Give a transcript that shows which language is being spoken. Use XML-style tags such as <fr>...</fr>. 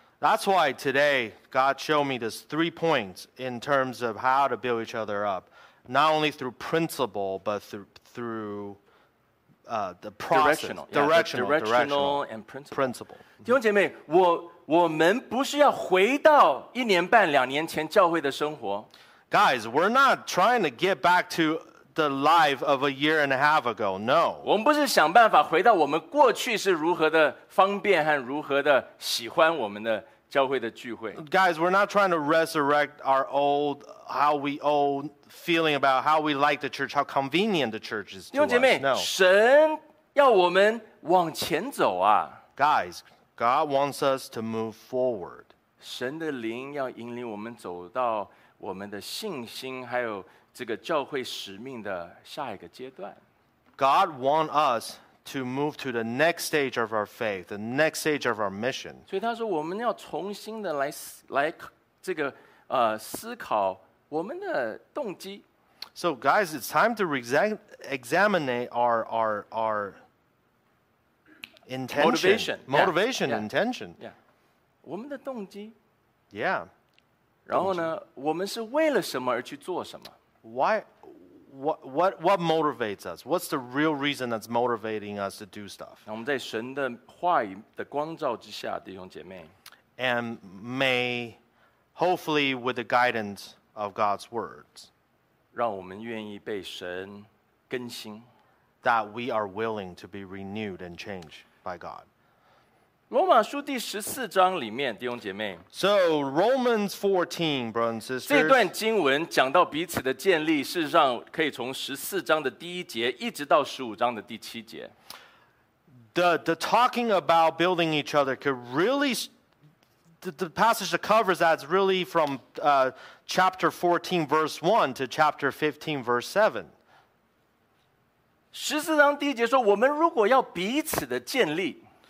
<en>That's why today God showed me these three points in terms of how to build each other up, not only through principle but throughthe process, directional and principle.</en> <zh>弟兄姐妹，我们不是要回到一年半两年前教会的生活。</zh> <en>Guys, we're not trying to get back to the life of a year and a half ago. No.</en> <zh>我们不是想办法回到我们过去是如何的方便和如何的喜欢我们的教会的聚会。</zh> <en>Guys, we're not trying to resurrect our old how we old. Feeling about how we like the church, how convenient the church is to us.</en> <zh>弟兄姐妹，神要我们往前走啊。</zh> <en>Guys, God wants us to move forward.</en> <zh>神的灵要引领我们走到我们的信心，还有这个教会使命的下一个阶段。</zh> <en>God wants us to move to the next stage of our faith, the next stage of our mission.</en> <zh>所以他说，我们要重新的来这个思考。我们的动机。</zh> <en>So guys, it's time to examine our intention, motivation, yeah. intention. Yeah.</en> <zh>我们的动机。</zh> <en>Yeah.</en> <zh>然后呢，我们是为了什么而去做什么</zh> <en>？Why? What motivates us? What's the real reason that's motivating us to do stuff?</en> <zh>我们在神的话语的光照之下，弟兄姐妹。</zh> <en>And may hopefully with the guidance. Of God's words,</en> <zh>让我们愿意被神更新</zh> <en>that we are willing to be renewed and changed by God.</en> <zh>罗马书第十四章里面，弟兄姐妹。</zh> <en>So Romans 14, brothers and sisters.</en> <zh>这段经文讲到彼此的建立，事实上可以从十四章的第一节一直到十五章的第七节。</zh> <en>The talking about building each other could really the passage that covers that is really from. Chapter 14, verse 1 to chapter 15, verse 7.</en> <zh>十四章第一节说，我们如果要彼此的建立。</zh>